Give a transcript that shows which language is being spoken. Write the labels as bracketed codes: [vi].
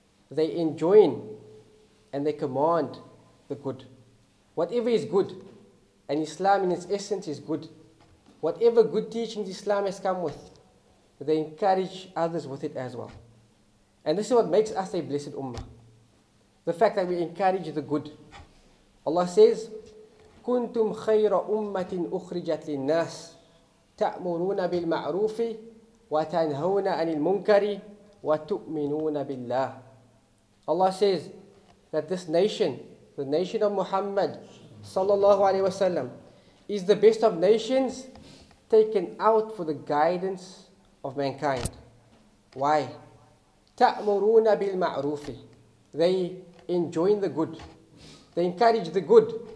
[en] They enjoin and they command the good. Whatever is good, and Islam in its essence is good, whatever good teachings Islam has come with, they encourage others with it as well. And this is what makes us a blessed ummah. The fact that we encourage the good. Allah says, [ar] كُنْتُمْ خَيْرَ أُمَّةٍ أُخْرِجَتْ لِلنَّاسِ تأمرون بالمعروف وتنهون عن المنكر وتؤمنون بالله. [en] Allah says that this nation, the nation of Muhammad sallallahu alaihi wasallam, is the best of nations taken out for the guidance of mankind. Why? [ar] تأمرون بالمعروف. [en] They enjoin the good. They encourage the good.